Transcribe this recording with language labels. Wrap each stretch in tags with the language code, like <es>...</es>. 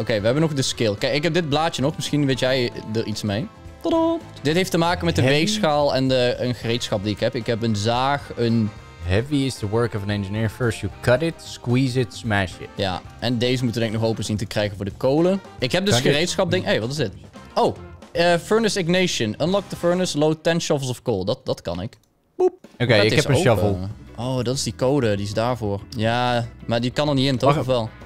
<nl>Okay. We hebben nog de skill. Kijk, ik heb dit blaadje nog. Misschien weet jij er iets mee. Tada! Dit heeft te maken met de weegschaal en een gereedschap die ik heb. Ik heb een zaag, een...</nl> <en>Heavy is the work of an engineer. First you cut it, squeeze it, smash it.</en> <nl>Ja, en deze moeten we denk ik nog open zien te krijgen voor de kolen. Ik heb dus gereedschap ding...</nl> <en>Hey,</en> <nl>wat is dit?</nl> <en>Oh! Furnace ignition. Unlock the furnace. Load 10 shovels of coal.</en> <nl>Dat kan ik. Boep. Oké, ik heb een shovel. Oh, dat is die code. Die is daarvoor. Ja, maar die kan er niet in, toch? Of wel?</nl>